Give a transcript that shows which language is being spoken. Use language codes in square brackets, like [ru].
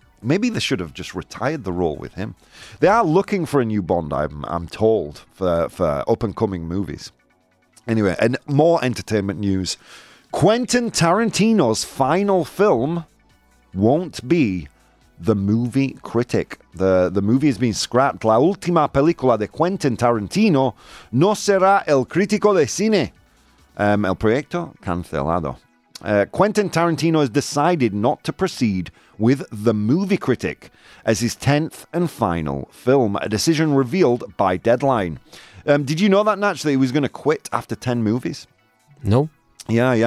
[en] Maybe they should have just retired the role with him. They are looking for a new Bond, I'm told, for up-and-coming movies. Anyway, and more entertainment news. Quentin Tarantino's final film won't be The Movie Critic. The movie has been scrapped. [es] La última película de Quentin Tarantino no será el crítico de cine. El proyecto cancelado. [en] Quentin Tarantino has decided not to proceed with The Movie Critic as his 10th and final film, a decision revealed by Deadline. Did you know that, Natch, that he was going to quit after 10 movies? No. Yeah.